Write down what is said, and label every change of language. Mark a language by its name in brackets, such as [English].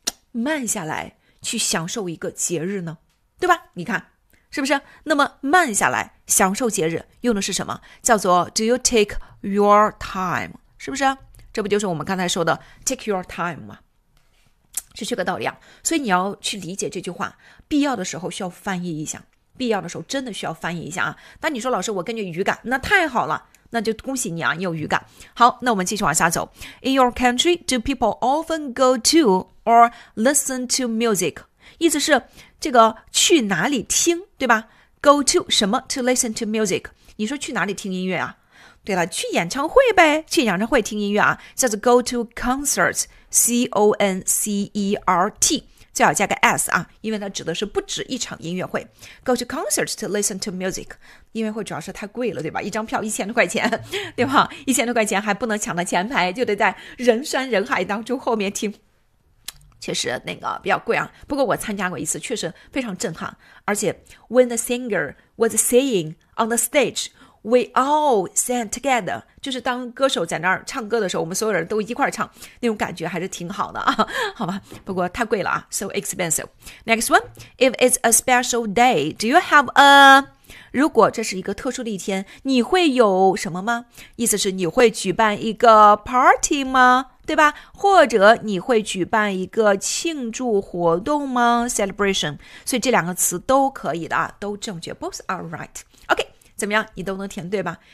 [Chinese] 慢下来去享受一个节日呢，对吧，你看是不是，那么慢下来享受节日用的是什么，叫做 [English] do you take your time, [Chinese] 是不是，这不就是我们刚才说的 [English] take your time [Chinese] 吗，是这个道理啊。所以你要去理解这句话，必要的时候需要翻译一下，必要的时候真的需要翻译一下啊。那你说老师我根据语感，那太好了，那就恭喜你啊，你有语感。好，那我们继续往下走。 [English] In your country, do people often go to or listen to music? [Chinese] 意思是这个去哪里听，对吧， go to 什么 [English] to listen to music, [Chinese] 你说去哪里听音乐啊，对了，去演唱会呗，去演唱会听音乐啊，叫做 [English] go to concerts, [Chinese] concert, 最好加个 s 啊，因为它指的是不止一场音乐会。 [English] go to concerts to listen to music, [Chinese] 音乐会主要是太贵了，对吧，一张票1000多块钱，对吧，1000多块钱还不能抢到前排，就得在人山人海当中后面听，确实那个比较贵啊。不过我参加过一次，确实非常震撼，而且 [English] when the singer was singing on the stage, we all sang together, [Chinese] 就是当歌手在那儿唱歌的时候，我们所有人都一块唱，那种感觉还是挺好的啊，好吧，不过太贵了啊， [English] so expensive. Next one, if it's a special day, do you have a... [Chinese] 如果这是一个特殊的一天，你会有什么吗？意思是你会举办一个 party 吗？对吧？或者你会举办一个庆祝活动吗？ celebration. 所以这两个词都可以的啊，都正确， [English] both are right. [Chinese] OK, 怎么样？你都能填对吧？